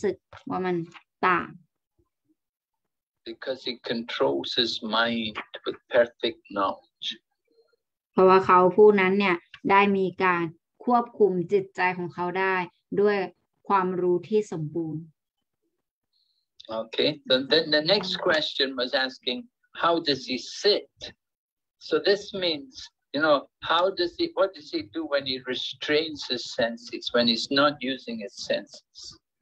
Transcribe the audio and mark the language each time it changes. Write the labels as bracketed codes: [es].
[th] แล้วถึงแม้ว่ามันจะเป็นสิ่งที่ดีหรือว่าสิ่งที่ไม่ดีเนี่ยท่านก็จะไม่ได้รู้สึกว่ามันต่าง [en] Because he controls his mind with perfect knowledge. [th] เพราะว่าเขาผู้นั้นเนี่ยได้มีการควบคุมจิตใจของเขาได้ด้วยความรู้ที่สมบูรณ์ [en] Okay, so then the next question was asking, how does he sit? So this means, you know, how does he, what does he do when he restrains his senses, when he's not using his senses?